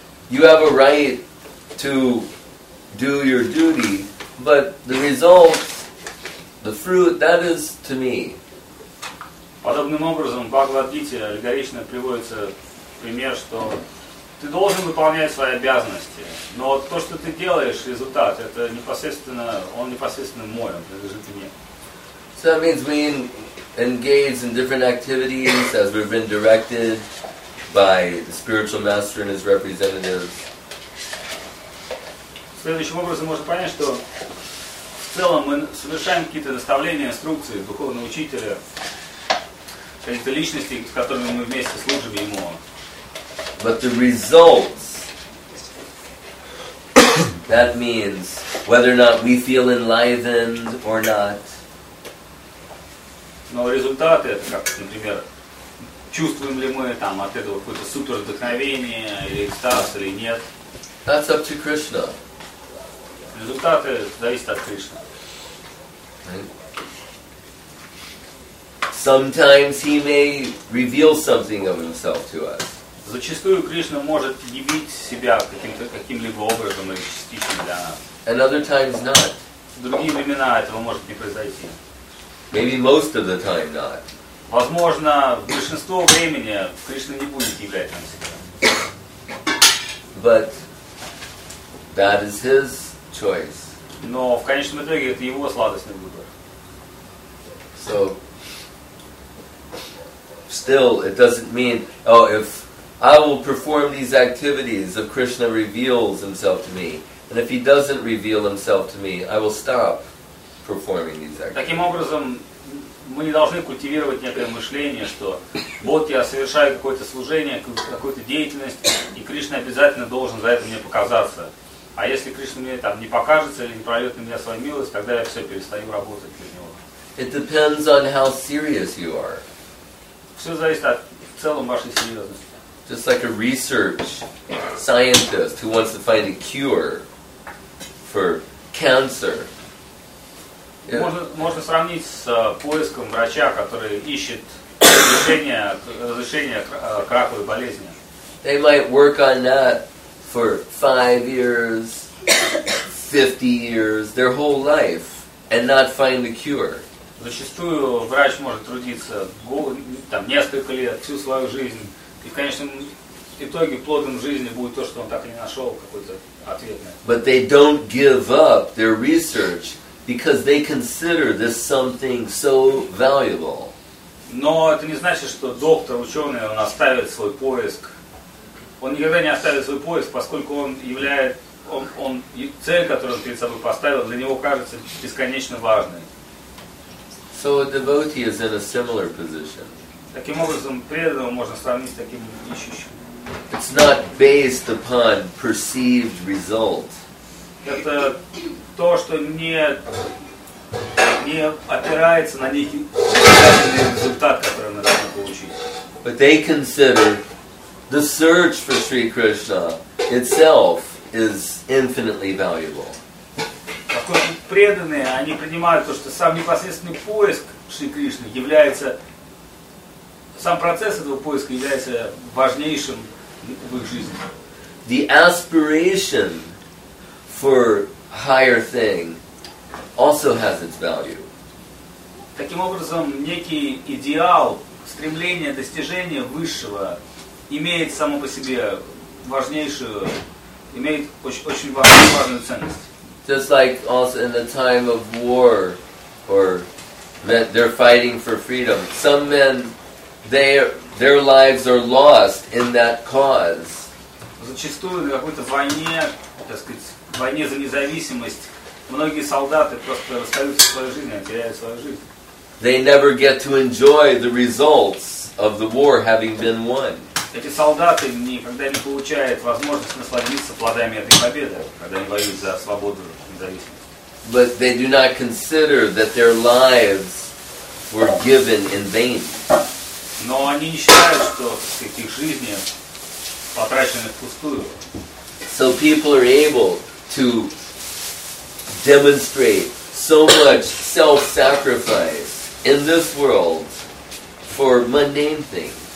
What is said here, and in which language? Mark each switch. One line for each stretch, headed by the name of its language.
English: You have a right to do your duty, but the result, the fruit, that is to me.
Russian: Подобным образом, в Бхагавад Гите аллегорично приводится пример, что ты должен выполнять свои обязанности, но то, что ты делаешь, результат, это непосредственно, он непосредственно мой, он принадлежит мне.
English: So that means we engage in different activities as we've been directed by the spiritual master and his representatives.
Russian: Следующим образом можно понять, что в целом мы совершаем какие-то наставления, инструкции духовного учителя, какие-то личности, с которыми мы вместе служим ему.
English: But the results, that means whether or not we feel enlivened or not.
Russian: Но результаты, это как, например, чувствуем ли мы там от этого какое-то супер вдохновение или экстаз, или нет.
English: That's up to Krishna.
Russian: Результаты зависят от Кришны.
English: Sometimes he may reveal something of himself to us.
Russian: Зачастую Кришна может явить себя каким-то, каким-либо образом или частично для нас.
English: And other times not.
Russian: В другие времена этого может не произойти.
English: Maybe most of the time not.
Russian: Возможно, в большинство времени Кришна не будет являть нам себя.
English: But that is his choice.
Russian: Но в конечном итоге это его сладостный выбор.
English: So, still, it doesn't mean, oh, if I will perform these activities if Krishna reveals himself to me. And if he doesn't reveal himself to me, I will stop performing these activities.
Russian: Таким образом, мы не должны культивировать некое мышление, что вот я совершаю какое-то служение, какую-то деятельность, и Кришна обязательно должен за это мне показаться. А если Кришна мне там не покажется или не прольет на меня свою милость, тогда я все перестаю работать для него.
English: It depends on how serious you are.
Russian: Все зависит от в целом вашей серьезности.
English: Just like a research scientist who wants to find a cure for cancer. Yeah.
Russian: Можно сравнить с поиском врача, который ищет разрешение к раковой болезни.
English: They might work on that for 5 years, 50 years, their whole life, and not find the cure.
Russian: Зачастую врач может трудиться там несколько лет, всю свою жизнь. И в конечном итоге плодом жизни будет то, что он так и не нашел какой-то ответ на это.
English: But they don't give up their research because they consider this something so valuable.
Russian: Но это не значит, что доктор, ученый, он оставит свой поиск. Он никогда не оставит свой поиск, поскольку он является, он цель, которую он перед собой поставил, для него кажется бесконечно важной.
English: So a devotee is in a similar position.
Russian: Таким образом, преданного можно сравнить с таким ищущим.
English: It's not based upon perceived result.
Russian: Это то, что не опирается на некий результат, который мы должны получить.
English: But they consider the search for Sri Krishna itself is infinitely valuable.
Russian: Поскольку преданные, они принимают то, что сам непосредственный поиск Шри Кришны является, сам процесс этого поиска является важнейшим в их жизни.
English: The aspiration for higher thing also has its value.
Russian: Таким образом, некий идеал, стремление, достижение высшего имеет само по себе важнейшую, имеет очень, очень важную, важную ценность.
English: Just like also in the time of war, or that they're fighting for freedom. Some men, their lives are lost in that cause.
Russian: Зачастую на какой-то войне, так сказать, войне за независимость, многие солдаты просто расстаются со своей жизнью, теряют свою жизнь.
English: They never get to enjoy the results of the war having been won.
Russian: Эти солдаты никогда не получают возможность насладиться плодами этой победы, когда они воюют за свободу и независимость.
English: But they do not consider that their lives were given in vain.
Russian: Но они не считают, что их жизни потрачены впустую.
English: So people are able to demonstrate so much self-sacrifice in this world for mundane things.